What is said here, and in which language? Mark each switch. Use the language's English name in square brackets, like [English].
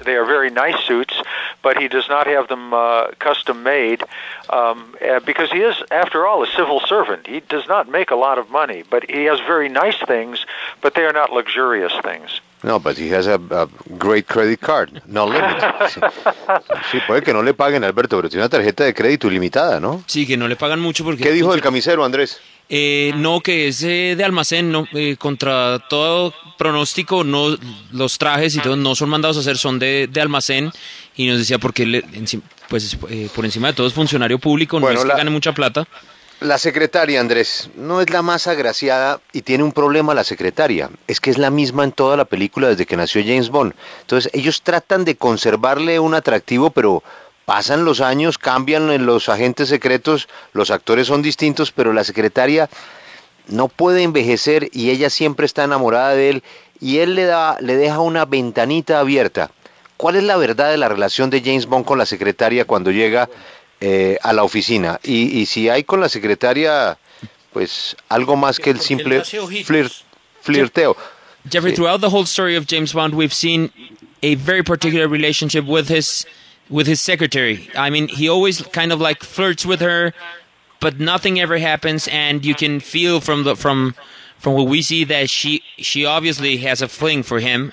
[English] They are very nice suits, but he does not have them custom made because he is, after all, a civil servant. He does not make a lot of money, but he has very nice things, but they are not luxurious things. No, but he has a great credit card, no limit. [Spanish] Sí, puede que no le paguen, Alberto, pero tiene una tarjeta de crédito ilimitada, ¿no? Sí, que no le pagan mucho porque... ¿Qué dijo el camisero, Andrés? No, que es de almacén, ¿no? Contra todo pronóstico, no, los trajes y todo no son mandados a hacer, son de almacén. Y nos decía, porque por encima de todo es funcionario público, no es que gane mucha plata. La secretaria, Andrés, no es la más agraciada y tiene un problema la secretaria. Es que es la misma en toda la película desde que nació James Bond. Entonces, ellos tratan de conservarle un atractivo, pero pasan los años, cambian en los agentes secretos, los actores son distintos, pero la secretaria no puede envejecer y ella siempre está enamorada de él y él le deja una ventanita abierta. ¿Cuál es la verdad de la relación de James Bond con la secretaria cuando llega a la oficina? Y si hay con la secretaria, pues algo más que el simple flirteo. [English] Jeffrey, throughout the whole story of James Bond, we've seen a very particular relationship with his secretary. I mean, he always kind of like flirts with her, but nothing ever happens, and you can feel from what we see that she obviously has a fling for him.